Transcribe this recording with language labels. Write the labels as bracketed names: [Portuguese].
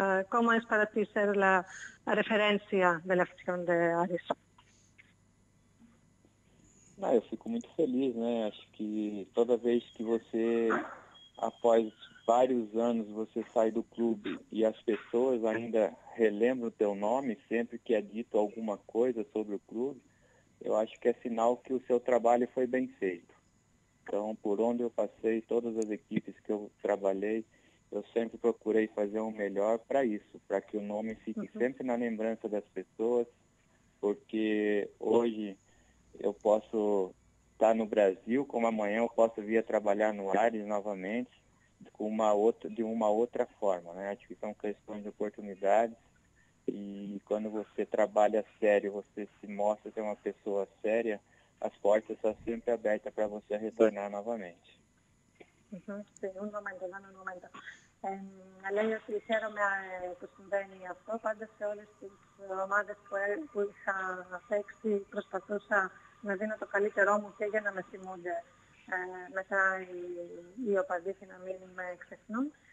[Spanish] ¿Cómo es para ti ser la referencia de la afición de Ares? [Portuguese] Ah, eu fico muito feliz, né? Acho que toda vez que você, após vários anos, você sai do clube e as pessoas ainda relembram o teu nome, sempre que é dito alguma coisa sobre o clube, eu acho que é sinal que o seu trabalho foi bem feito. Então, por onde eu passei, todas as equipes que eu trabalhei, eu sempre procurei fazer o melhor para isso, para que o nome fique sempre na lembrança das pessoas, porque hoje eu posso estar no Brasil, como amanhã eu posso vir a trabalhar no Ares novamente, com uma outra forma, né? Acho que são questões de oportunidades quando você trabalha sério, você se mostra ser uma pessoa séria, as portas estão sempre abertas para você retornar novamente. Segundo momento, no momento. [Greek] Λέει ότι χαίρομαι που συμβαίνει αυτό. Πάντα σε όλες τις ομάδες που είχα παίξει προσπαθούσα να δίνω το καλύτερό μου και για να με θυμούνται μετά οι οπαδοί να μην με ξεχνούν.